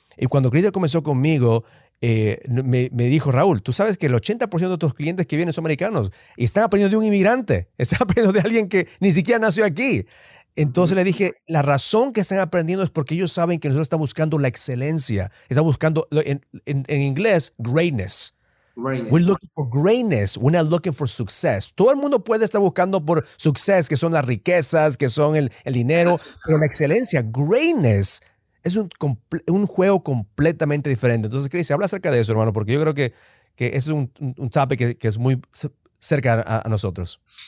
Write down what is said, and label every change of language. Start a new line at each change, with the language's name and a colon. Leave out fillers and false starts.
Spanish: Y cuando Cristian comenzó conmigo, me dijo, Raúl, tú sabes que el 80% de tus clientes que vienen son americanos y están aprendiendo de un inmigrante, están aprendiendo de alguien que ni siquiera nació aquí. Entonces le dije, la razón que están aprendiendo es porque ellos saben que nosotros estamos buscando la excelencia. Están buscando, en inglés, greatness.
English: We're looking for greatness. We're not looking for success.
Spanish: Todo el mundo puede estar buscando por success, que son las riquezas, que son el dinero, pero la excelencia, greatness, es un juego completamente diferente. Entonces, Chris, habla acerca de eso, hermano, porque yo creo que es un topic que es muy cerca a nosotros.